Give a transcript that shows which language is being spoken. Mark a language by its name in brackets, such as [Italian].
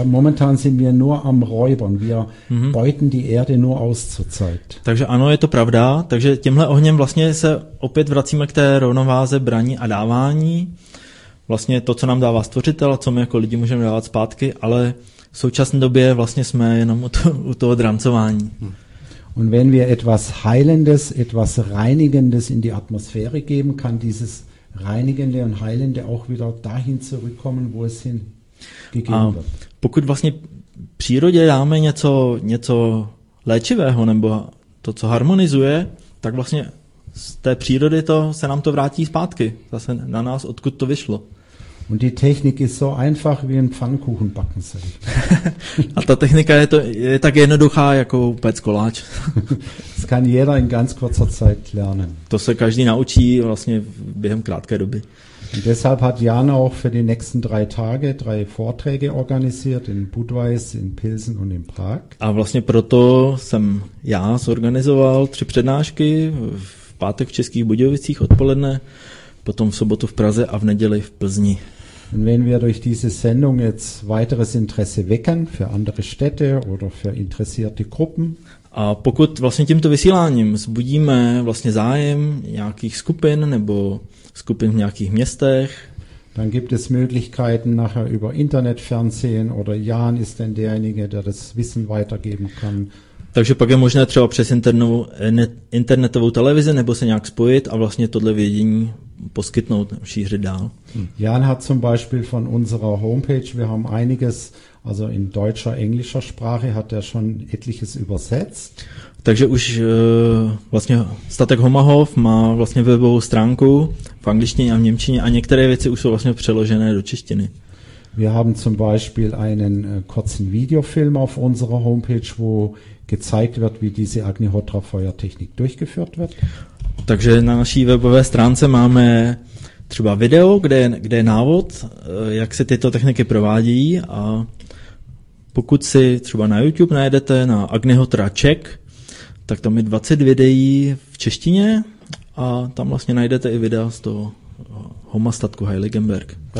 [German] Ja, momentan sind wir nur am Räubern. Wir beuten die Erde nur aus zur Zeit. [Czech] Takže ano, je to pravda. Takže tímhle ohněm vlastně se opět vracíme k té rovnováze braní a dávání. Vlastně to, co nám dává Stvořitel, co my jako lidi můžeme dávat zpátky, ale v současné době vlastně jsme jenom u toho drancování. [German] Und wenn wir etwas Heilendes, etwas Reinigendes in die Atmosphäre geben, kann dieses Reinigende und Heilende auch wieder dahin zurückkommen, wo es hingegeben wird. [Czech] Pokud vlastně přírodě dáme něco léčivého nebo to, co harmonizuje, tak vlastně z té přírody to se nám to vrátí zpátky. Zase na nás, odkud to vyšlo. [German] Und die Technik ist so einfach wie ein Pfannkuchen backen soll. [Czech] A ta technika je tak jednoduchá jako péct koláč. [German] Das kann jeder in ganz kurzer Zeit lernen. [Czech] To se každý naučí vlastně během krátké doby. [German] Und deshalb hat Jana auch für die nächsten 3 Tage 3 Vorträge organisiert in Budweis, in Pilsen und in Prag. [Czech] A vlastně proto jsem já zorganizoval 3 přednášky v pátek v Českých Budějovicích odpoledne, potom v sobotu v Praze a v neděli v Plzni. [German] Und wenn wir durch diese Sendung jetzt weiteres Interesse wecken für andere Städte oder für interessierte Gruppen. [Czech] A pokud vlastně tímto vysíláním vzbudíme vlastně zájem nějakých skupin nebo skupin v nějakých městech, [German] dann gibt es Möglichkeiten nachher über Internet, Fernsehen oder Jan ist denn derjenige, der das Wissen weitergeben kann. [Czech] Takže pak je možné třeba přes internetovou televizi nebo se nějak spojit a vlastně tohle vědění poskytnout, šířit dál. [German] Jan hat zum Beispiel von unserer Homepage, wir haben einiges, also in deutscher, englischer Sprache, hat er schon etliches übersetzt. [Czech] Takže už vlastně Statek Homahov má vlastně webovou stránku v angličtině a v němčině a některé věci už jsou vlastně přeložené do češtiny. [German] Wir haben zum Beispiel einen kurzen Videofilm auf unserer Homepage, wo gezeigt wird, wie diese Agnihotra-Feuertechnik durchgeführt wird. [Czech] Takže na naší webové stránce máme třeba video, kde je návod, jak se tyto techniky provádějí, a pokud si třeba na YouTube najdete na Agnihotra Czech, tak tam je 20 videí v češtině a tam vlastně najdete i videa z toho homostatku Heiligenberg.